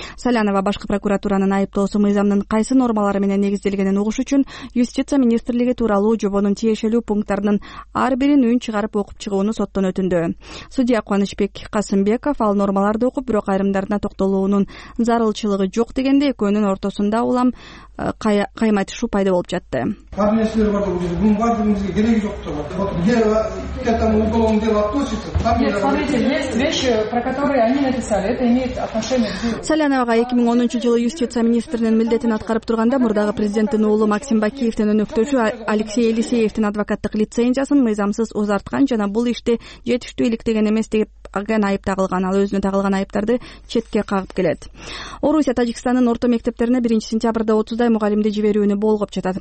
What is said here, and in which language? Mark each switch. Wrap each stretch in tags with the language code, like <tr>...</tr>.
<ky>Салянова башкы прокуратуранын айыптоосу мыйзамдын кайсы нормалары менен негизделгенин угуш үчүн юстиция министрлиги тууралуу жобонун тиешелүү пункттарынын ар бирин үн чыгарып окуп чыгууну соттон өтүндү. Судья Куанычбек Касымбеков ал нормаларды окуп, бирок айрымдарына токтолуунун зарылчылыгы жок дегенде экөөнүн ортосунда улам кайматышуу пайда болуп жатты. Бунун баардыгы бизге кереги жок деп атып.</ky> <ru>Вот где я там уголовное дело относится? Там нет, смотрите, есть вещи, про которые они написали. Это имеет отношение к делу.</ru> <ky>Салянова 2010 жылы юстиция министринин милдетин аткарып турганда мурдагы президенттин уулу Максим Бакиевтин өнөктөшү Алексей Елисеевтин адвокаттык лицензиясын мыйзамсыз узарткан жана бул ишти жетиштүү иликтеген эмес деп аген айып тагылган. Ал өзүнө тагылган айыптарды четке кагып келет. Орусия Тажикстандын орто мектептерине 1 сентябрда 30 мугалимди жиберүүнү болгоп жатат.</ky>